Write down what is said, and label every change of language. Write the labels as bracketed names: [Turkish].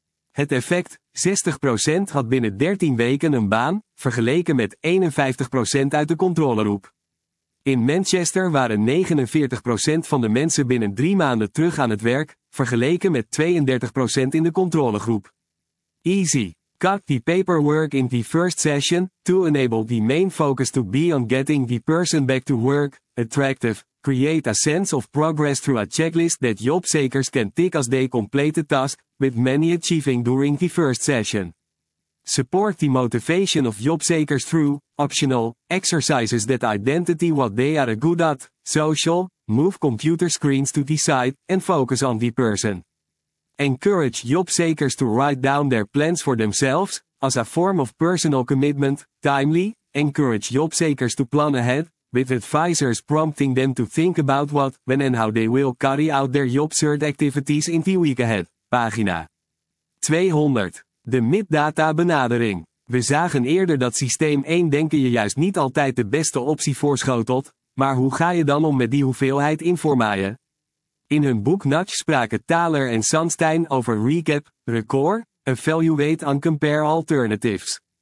[Dutch] Het effect, 60% had binnen 13 weken een baan, vergeleken met 51% uit de controleroep. In Manchester waren 49% van de mensen binnen 3 maanden terug aan het werk, vergeleken met 32% in de controlegroep. [English] Easy. Cut the paperwork in the first session, to enable the main focus to be on getting the person back to work. Attractive, create a sense of progress through a checklist that job seekers can tick as they complete the task, with many achieving during the first session. Support the motivation of job seekers through, optional, exercises that identify what they are good at, social, move computer screens to the side, and focus on the person. Encourage job seekers to write down their plans for themselves, as a form of personal commitment. Timely, encourage job seekers to plan ahead, with advisors prompting them to think about what, when and how they will carry out their job search activities in the week ahead. [Dutch] Pagina 200. De middata benadering. We zagen eerder dat systeem 1 denken je juist niet altijd de beste optie voorschotelt, Maar hoe ga je dan om met die hoeveelheid informatie? In hun boek Nudge spraken Thaler en Sunstein over [English] Recap, Record, Evaluate and Compare Alternatives.